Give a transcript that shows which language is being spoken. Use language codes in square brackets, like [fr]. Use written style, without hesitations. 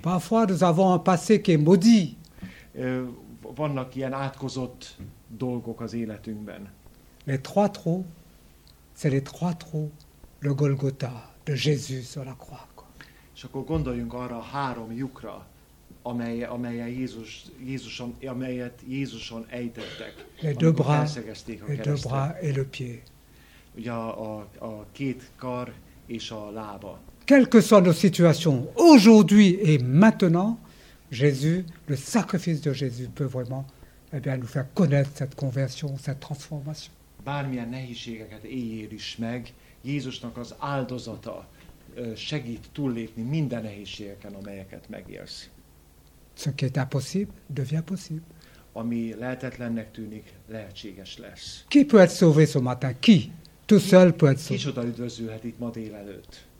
[fr] Parfois nous avons un passé qui est maudit. [hu] Vannak ilyen átkozott dolgok az életünkben. [fr] Les trois trous, c'est les trois trous, le Golgotha, de Jésus sur la croix. [hu] És akkor gondoljunk arra a három lyukra, amelyet Jézuson ejtettek. [fr] Les deux bras, les deux bras et le pied. [hu] Ugye a két kar és a lába. [fr] Quelle que soit nos situations, aujourd'hui et maintenant, Jésus, le sacrifice de Jésus peut vraiment nous faire connaître cette conversion, cette transformation. [hu] Bármilyen nehézségeket éljél is meg, Jézusnak az áldozata segít túllépni minden nehézségeken, amelyeket megélsz. [fr] Ce qui est impossible devient possible. [hu] Ami lehetetlennek tűnik, lehetséges lesz. [fr] Qui peut être sauvé ce matin? Qui? Tout seul peut être sauvé. [hu] Kicsoda üdvözülhet itt ma délelőtt?